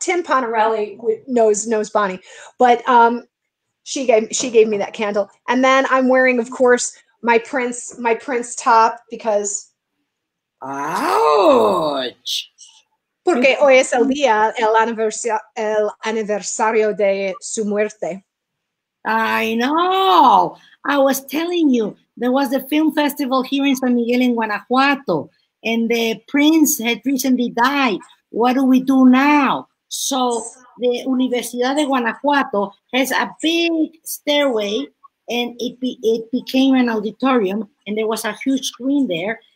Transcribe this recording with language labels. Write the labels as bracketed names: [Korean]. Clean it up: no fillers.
[English] Tim Ponarelli knows Bonnie, but she gave me that candle. And then I'm wearing, of course, my prince top, because. Ouch. [Spanish] Porque hoy es el día, el aniversario de su muerte. [English] I know. I was telling you, there was a film festival here in San Miguel in Guanajuato. And the prince had recently died. What do we do now? So the Universidad de Guanajuato has a big stairway, and it became an auditorium, and there was a huge screen there.